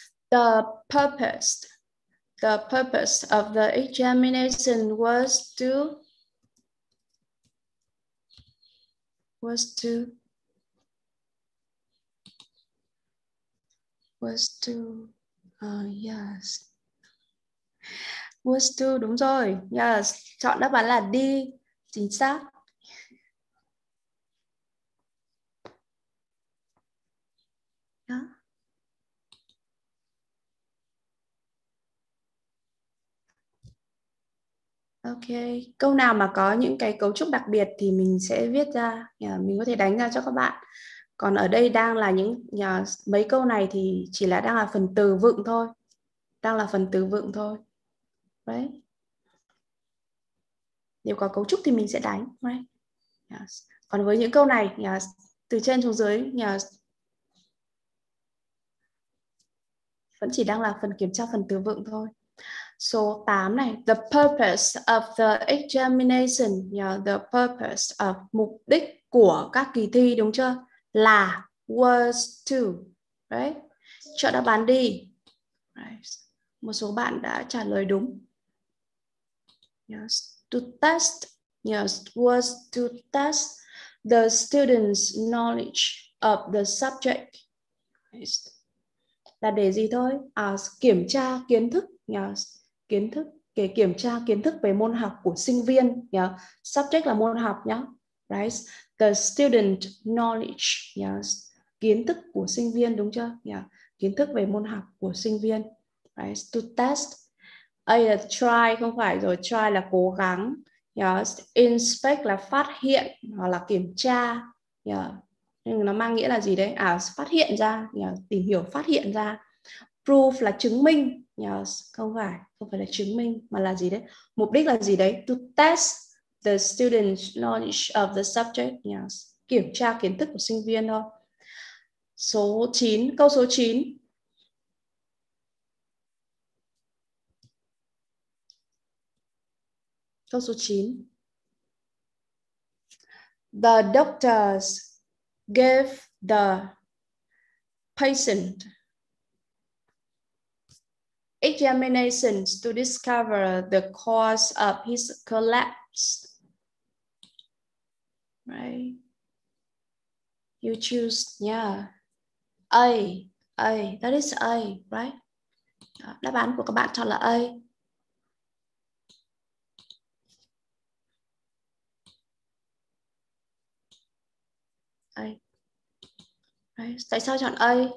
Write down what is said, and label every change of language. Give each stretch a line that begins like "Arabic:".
English: The purpose of the examination was to
Vietnamese: đúng rồi. Yes, chọn đáp án là D, chính xác. Ok, câu nào mà có những cái cấu trúc đặc biệt thì mình sẽ viết ra, mình có thể đánh ra cho các bạn. Còn ở đây đang là những mấy câu này thì chỉ là đang là phần từ vựng thôi. Đang là phần từ vựng thôi. Đấy. Nếu có cấu trúc thì mình sẽ đánh, right? Yes. Còn với những câu này, từ trên xuống dưới, vẫn chỉ đang là phần kiểm tra phần từ vựng thôi. Số 8 này,
English: the purpose of the examination, the purpose of,
Vietnamese: mục đích của các kỳ thi, đúng chưa? Là,
English: was to,
Vietnamese: right? Chọn đáp án đi. Right. Một số bạn đã trả lời đúng.
English: Yes. To test, yes, was to test the student's knowledge of the subject.
Vietnamese: Right. Là để gì thôi? Kiểm tra kiến thức. Yes. Kiến thức, kể kiểm tra kiến thức về môn học của sinh viên, subject là môn học nhá. Right?
English: The student knowledge,
Vietnamese: yes. Kiến thức của sinh viên, đúng chưa? Kiến thức về môn học của sinh viên. Right?
English: To test.
Vietnamese: A là try, không phải rồi, try là cố gắng. Yes. Inspect là phát hiện hoặc là kiểm tra. Nhưng nó mang nghĩa là gì đấy? Phát hiện ra, tìm hiểu phát hiện ra. Proof là chứng minh. Yes, không phải là chứng minh mà là gì đấy? Mục đích là gì đấy?
English: To test the student's knowledge of the subject.
Vietnamese: Yes, kiểm tra kiến thức của sinh viên thôi. Số 9, câu số 9. Câu số 9.
English: The doctors gave the patient examinations to discover the cause of his collapse. Right? You choose, A, that is A, right?
Vietnamese: Đáp án của các bạn chọn là A. Right. Tại sao chọn A?